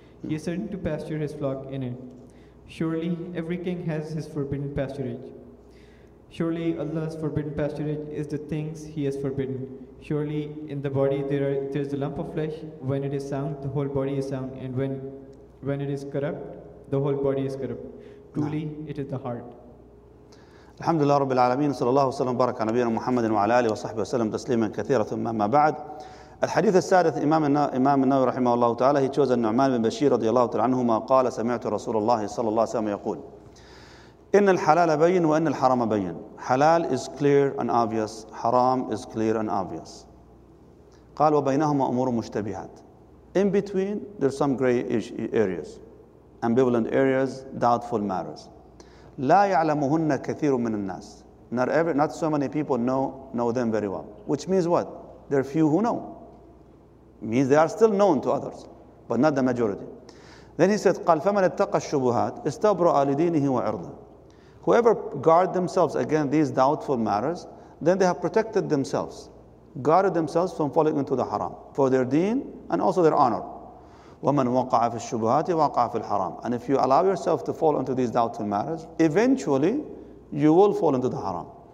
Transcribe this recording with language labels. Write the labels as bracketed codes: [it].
[en] He is certain to pasture his flock in it. Surely every king has his forbidden pasturage. Surely Allah's forbidden pasturage is the things he has forbidden. Surely in the body there is a lump of flesh. When it is sound, the whole body is sound. And when it is corrupt, the whole body is corrupt. Truly, it is the heart. [ar] الحمد لله رب العالمين صلى الله وسلم بارك على نبينا محمد وعلى آله وصحبه وسلم تسليما كثيرا ثم ما بعد الحديث السادس إمام النووي رحمه الله تعالى [en] he chose [ar] النعمان بن بشير رضي الله تعالى عنهما قال سمعت رسول الله صلى الله عليه وسلم يقول إن الحلال بين وإن الحرام بين [en] حلال is clear and obvious حرام is clear and obvious [ar] قال وبينهما أمور مشتبهات [en] in between there's some gray areas ambivalent areas doubtful matters [ar] لا يعلمهن كثير من الناس [en] not so many people know them very well which means what? There are few who know means they are still known to others but not the majority then he said [ar] قال فمن اتقى الشبهات استبرأ لدينه وعرضه [en] whoever guard themselves against these doubtful matters then they have protected themselves guarded themselves from falling into the haram for their deen and also their honor [ar] وَمَنْ وَقَعَ فِي الشُّبُهَاتِ وَقَعَ فِي الْحَرَامِ [en] And if you allow yourself to fall into these doubtful matters, eventually you will fall into the haram.